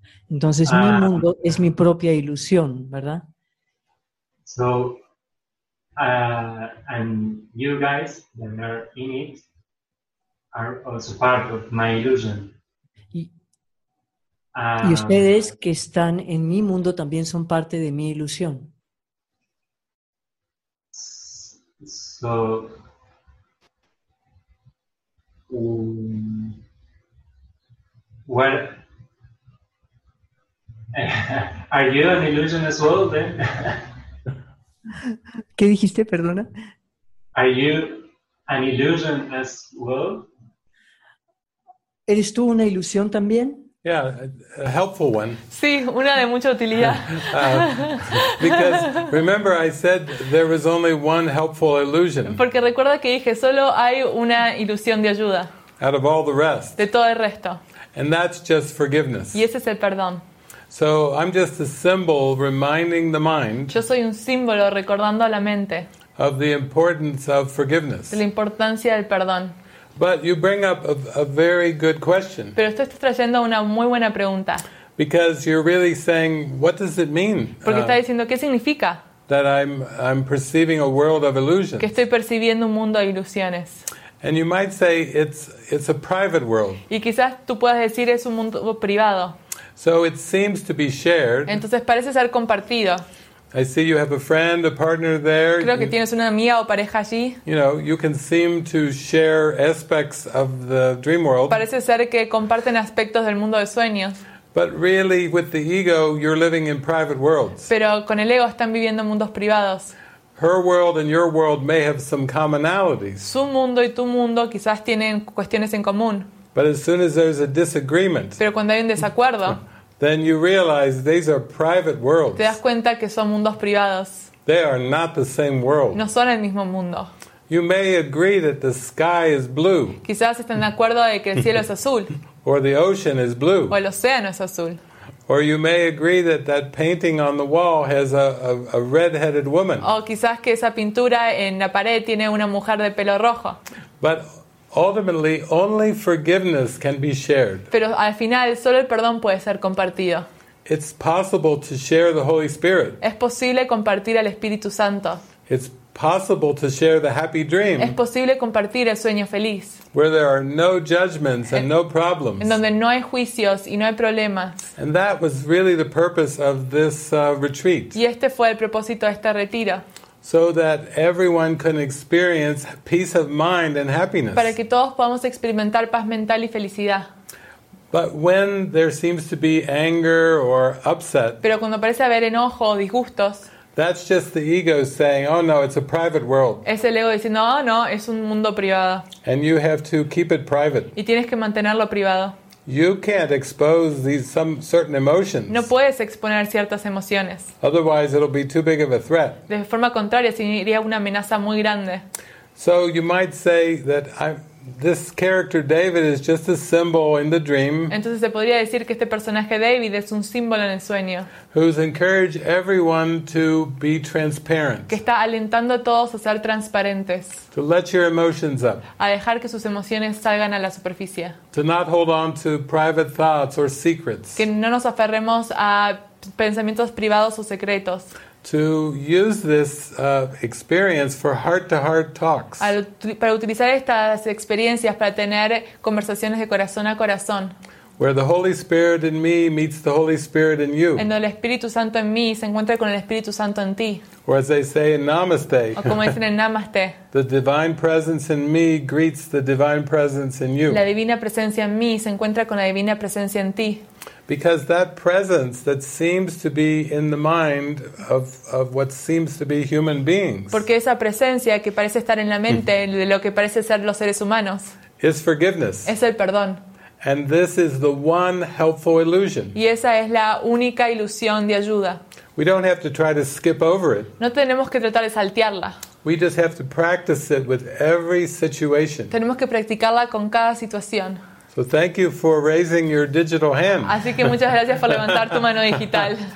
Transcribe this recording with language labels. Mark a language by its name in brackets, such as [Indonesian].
[Spanish] Entonces mi mundo es mi propia ilusión, ¿verdad? [English] So, and you guys that are in it are also part of my illusion. [Spanish] Y ustedes que están en mi mundo también son parte de mi ilusión. [English] So, well, are you an illusion as well, then? [Spanish] ¿Qué dijiste, perdona? [English] Are you an illusion as well? [Spanish] ¿Eres tú una ilusión también? [English] Yeah, a helpful one. [Spanish] Sí, una de mucha utilidad. [English] Because remember I said there was only one helpful illusion. [Spanish] Porque recuerda que dije solo hay una ilusión de ayuda. [English] Out of all the rest. [Spanish] De todo el resto. [English] And that's just forgiveness. [Spanish] Y ese es el perdón. [English] So I'm just a symbol reminding the mind. [Spanish] Yo soy un símbolo recordando a la mente. [English] Of the importance of forgiveness. [Spanish] De la importancia del perdón. [English] But you bring up a very good question. [Spanish] Pero usted está trayendo una muy buena pregunta. [English] Because you're really saying, what does it mean? [Spanish] Porque está diciendo, ¿qué significa? [English] That I'm perceiving a world of illusions. [Spanish] Que estoy percibiendo un mundo de ilusiones. [English] And you might say it's a private world. [Spanish] Y quizás tú puedas decir es un mundo privado. [English] So it seems to be shared. [Spanish] Entonces parece ser compartido. [English] I see you have a friend, a partner there. [Spanish] Creo que tienes una amiga o pareja allí. [English] You know, you can seem to share aspects of the dream world. [Spanish] Parece ser que comparten aspectos del mundo de sueños. [English] But really, with the ego, you're living in private worlds. [Spanish] Pero con el ego están viviendo mundos privados. [English] Her world and your world may have some commonalities. [Spanish] Su mundo y tu mundo quizás tienen cuestiones en común. [English] But as soon as there's a disagreement. [Spanish] Pero cuando hay un desacuerdo. [English] Then you realize these are private worlds. [Spanish] Te das cuenta que son mundos privados. [English] They are not the same world. [Spanish] No son el mismo mundo. [English] You may agree that the sky is blue. [Spanish] Quizás estén de acuerdo de que el cielo es azul. [English] Or the ocean is blue. [Spanish] O el océano es azul. [English] Or you may agree that that painting on the wall has a red-headed woman. [Spanish] O quizás que esa pintura en la pared tiene una mujer de pelo rojo. [English] But ultimately, only forgiveness can be shared. [Spanish] Pero al final, solo el perdón puede ser compartido. [English] It's possible to share the Holy Spirit. [Spanish] Es posible compartir al Espíritu Santo. [English] It's possible to share the happy dream. [Spanish] Es posible compartir el sueño feliz. [English] Where there are no judgments and no problems. [Spanish] En donde no hay juicios y no hay problemas. [English] And that was really the purpose of this retreat. [Spanish] Y este fue el propósito de este retiro. [English] So that everyone can experience peace of mind and happiness. [Spanish] Para que todos podamos experimentar paz mental y felicidad. [English] But when there seems to be anger or upset, [Spanish] pero cuando parece haber enojo o disgustos, [English] that's just the ego saying, "Oh no, it's a private world." [Spanish] Es el ego diciendo, "Oh no, es un mundo privado." [English] And you have to keep it private. [Spanish] Y tienes que mantenerlo privado. [English] You can't expose these some certain emotions. [Spanish] No puedes exponer ciertas emociones. [English] Otherwise, it'll be too big of a threat. [Spanish] De forma contraria, sería una amenaza muy grande. [English] So you might say that this character David is just a symbol in the dream. [Spanish] Entonces se podría decir que este personaje David es un símbolo en el sueño. [English] Who's encouraged everyone to be transparent. [Spanish] Que está alentando a todos a ser transparentes. [English] To let your emotions up. [Spanish] A dejar que sus emociones salgan a la superficie. [English] To not hold on to private thoughts or secrets. [Spanish] Que no nos aferremos a pensamientos privados o secretos. [English] To use this experience for heart-to-heart talks. [Spanish] Para utilizar estas experiencias para tener conversaciones de corazón a corazón. [English] Where the Holy Spirit in me meets the Holy Spirit in you. [Spanish] En donde el Espíritu Santo en mí se encuentra con el Espíritu Santo en ti. [English] Or as they say in Namaste. [Spanish] O como dicen en Namaste. [English] The divine presence in me greets the divine presence in you. [Spanish] La divina presencia en mí se encuentra con la divina presencia en ti. [English] Because that presence that seems to be in the mind of what seems to be human beings. [Spanish] Porque esa presencia que parece estar en la mente de lo que parece ser los seres humanos. [English] Is forgiveness. [Spanish] Es el perdón. [English] And this is the one helpful illusion. [Spanish] Y esa es la única ilusión de ayuda. [English] We don't have to try to skip over it. [Spanish] No tenemos que tratar de saltearla. [English] We just have to practice it with every situation. [Spanish] Tenemos que practicarla con cada situación. [English] So thank you for raising your digital hand. [Spanish] Así que muchas gracias por levantar tu mano digital.